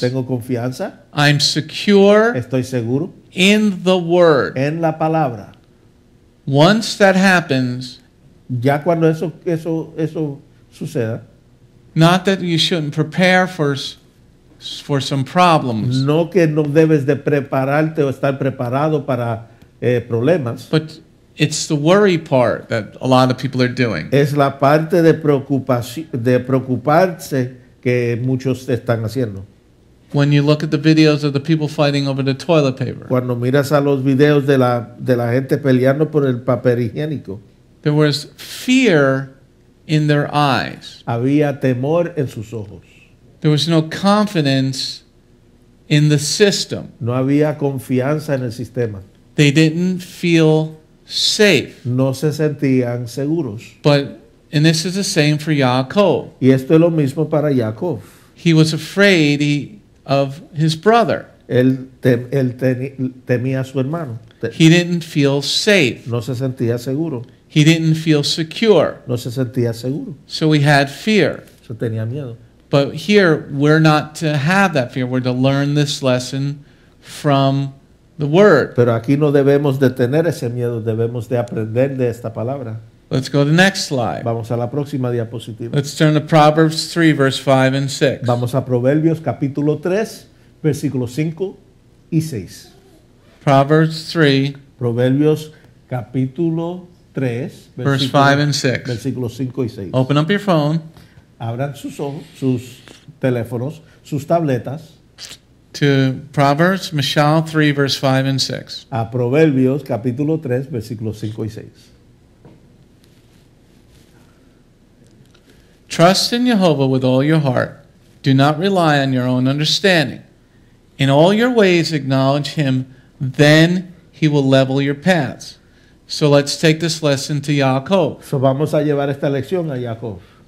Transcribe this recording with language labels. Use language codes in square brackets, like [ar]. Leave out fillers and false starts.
[es] Tengo confianza. [en] I'm secure. [es] Estoy seguro. [en] In the word. [es] En la palabra. [en] Once that happens. [es] Ya cuando eso suceda. [en] Not that you shouldn't prepare for some problems. [es] No que no debes de prepararte o estar preparado para problemas. [en] But it's the worry part that a lot of people are doing. [es] Es la parte de preocuparse. Que muchos están haciendo. [en] When you look at the videos of the people fighting over the toilet paper. [es] Cuando miras a los videos de la gente peleando por el papel higiénico. [en] There was fear in their eyes. [es] Había temor en sus ojos. [en] There was no confidence in the system. [es] No había confianza en el sistema. [en] They didn't feel safe. [es] No se sentían seguros. [en] But and this is the same for Yaakov. [es] Y esto es lo mismo para Yaakov. [en] He was afraid of his brother. [es] Él temía a su hermano. [en] He didn't feel safe. [es] No se sentía seguro. [en] He didn't feel secure. [es] No se sentía seguro. [en] So he had fear. [es] Se tenía miedo. [en] But here, we're not to have that fear. We're to learn this lesson from the Word. [es] Pero aquí no debemos de tener ese miedo. Debemos de aprender de esta palabra. [en] Let's go to the next slide. [es] Vamos a la próxima diapositiva. [en] Let's turn to Proverbs 3, verse 5 and 6. [es] Vamos a Proverbios, capítulo 3, versículos 5 y 6. [en] Proverbs 3. [es] Proverbios, capítulo 3, [en] verse 5 and 6. [es] Versículos 5 y 6. [en] Open up your phone. [es] Abran sus ojos, sus teléfonos, sus tabletas. [en] To Proverbs, Michelle 3, verse 5 and 6. [es] A Proverbios, capítulo 3, versículos 5 y 6. [en] Trust in Yehovah with all your heart. Do not rely on your own understanding. In all your ways acknowledge him, then he will level your paths. So let's take this lesson to Yaakov. [es] So vamos a llevar esta lección a Yaakov.